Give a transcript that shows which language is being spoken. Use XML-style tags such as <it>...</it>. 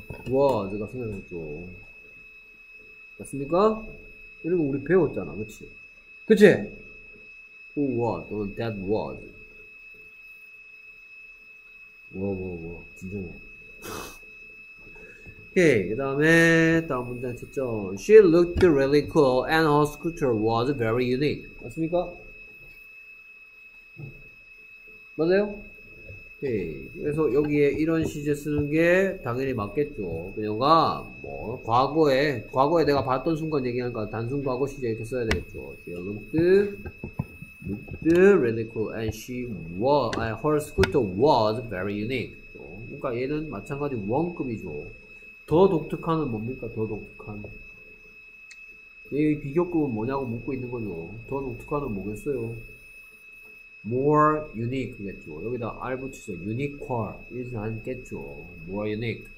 <ko>와, 제가 생각했죠. 맞습니까? 이런 거 우리 배웠잖아, 그치? 그치?</ko> <en>Who was,</en> <ko>또는</ko> <en>that was.</en> <ko>뭐, 진정해. 오케이, 그 다음에, 다음 문장 채점.</ko> <en>She looked really cool and her scooter was very unique.</en> <ko>맞습니까? 맞아요? 오케이. 그래서 여기에 이런 시제 쓰는 게 당연히 맞겠죠. 그녀가 뭐 과거에 내가 봤던 순간 얘기하니까 단순 과거 시제 이렇게 써야 되겠죠.</ko> <en>She looked really cool and she was her scooter was very unique.</en> <ko>그러니까 얘는 마찬가지 원급이죠. 더 독특한은 뭡니까? 더 독특한 얘의 비교급은 뭐냐고 묻고 있는 거죠. 더 독특한은 뭐겠어요?</ko> <en>More unique</en> <ko>겠죠. 여기다 R 붙여서</ko> <en>unique is</en> <ko>않겠죠.</ko> <en>More unique.</en>